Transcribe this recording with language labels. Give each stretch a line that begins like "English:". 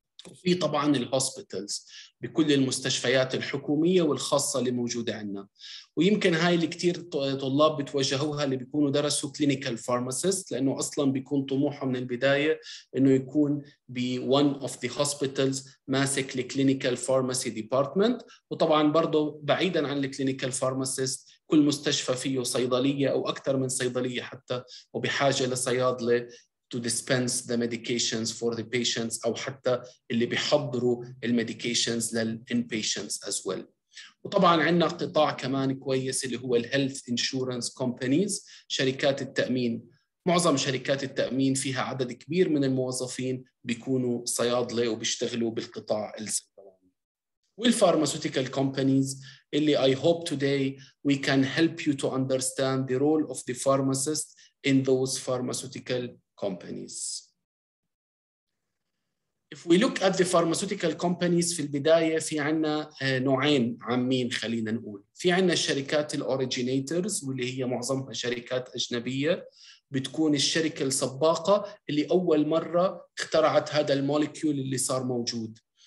Arabic: وفي طبعاً الhospitals بكل المستشفيات الحكومية والخاصة اللي موجودة عندنا, ويمكن هاي اللي كتير طلاب بتوجهوها اللي بيكونوا درسوا clinical pharmacist, لأنه أصلاً بيكون طموحه من البداية إنه يكون ب
English: one of the hospitals
Arabic: ماسك
English: the clinical pharmacy department.
Arabic: وطبعاً برضو بعيداً عن the clinical pharmacist كل مستشفى فيه صيدلية أو أكثر من صيدلية حتى, وبحاجة لصيادلة
English: to dispense the medications for the patients
Arabic: أو حتى اللي بيحضروا المديكيشنز للإنباتيينز
English: as well.
Arabic: وطبعاً عندنا قطاع كمان كويس اللي هو الـ health insurance companies، شركات التأمين. معظم شركات التأمين فيها عدد كبير من الموظفين بيكونوا صيادلة وبيشتغلوا بالقطاع الصيدلاني. والفارماسوتيكال كومبانيز اللي
English: I hope today we can help you to understand the role of the pharmacist in those pharmaceutical companies. If we look at the pharmaceutical companies
Arabic: في البداية في عنا نوعين عامين خلينا نقول. في عنا شركات الأوريجينيترز واللي هي معظمها شركات أجنبية بتكون الشركة السباقة اللي أول مرة اخترعت هذا الموليكيول اللي صار موجود.